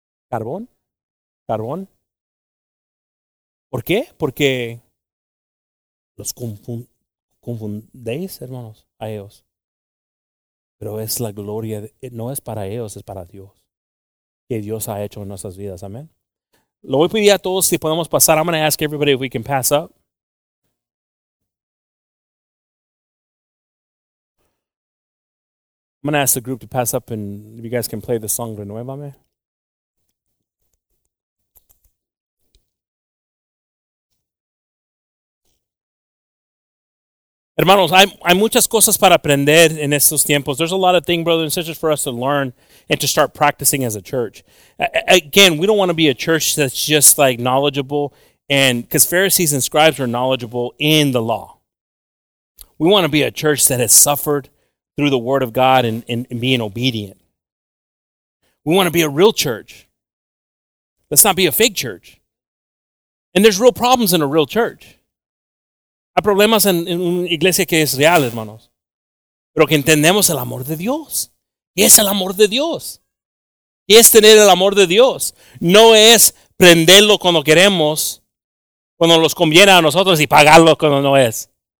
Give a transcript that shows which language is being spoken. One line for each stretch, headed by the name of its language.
Spanish: Carbón. Carbón. ¿Por qué? Porque los confundéis, hermanos, a ellos. Pero es la gloria, no es para ellos, es para Dios. Que Dios ha hecho en nuestras vidas, amén. Lo voy a pedir a todos si podemos pasar.
English: I'm going to ask everybody if we can pass up. I'm going to ask the group to pass up and if you guys can play the song Renuévame.
Spanish: Hermanos, hay muchas cosas para aprender en estos tiempos.
English: There's a lot of things, brothers and sisters, for us to learn and to start practicing as a church. Again, we don't want to be a church that's just like knowledgeable, and because Pharisees and scribes are knowledgeable in the law. We want to be a church that has suffered through the word of God and being obedient. We want to be a real church. Let's not be a fake church. And there's real problems in a real church.
Spanish: Hay problemas en una iglesia que es real, hermanos. Pero que entendemos el amor de Dios. ¿Qué es el amor de Dios? ¿Qué es tener el amor de Dios? No es prenderlo cuando queremos, cuando nos conviene a nosotros, y pagarlo cuando no es.